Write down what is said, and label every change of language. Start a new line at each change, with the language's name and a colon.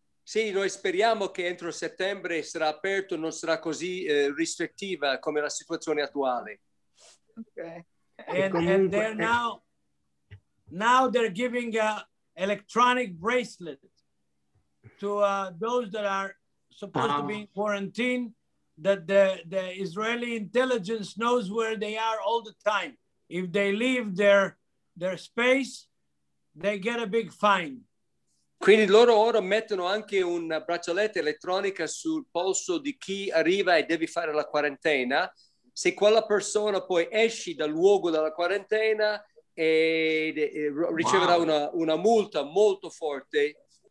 Italian: Sì, noi speriamo che entro settembre sarà aperto, non sarà così restrittiva come la situazione attuale.
English: Okay. And they're now they're giving a electronic bracelet to those that are supposed to be in quarantine, that the Israeli intelligence knows where they are all the time. If they leave their space, they get a big fine.
Italian: Quindi loro ora mettono anche un braccialetto elettronico sul polso di chi arriva e deve fare la quarantena. Se quella persona poi esce dal luogo della quarantena e riceverà una multa molto forte.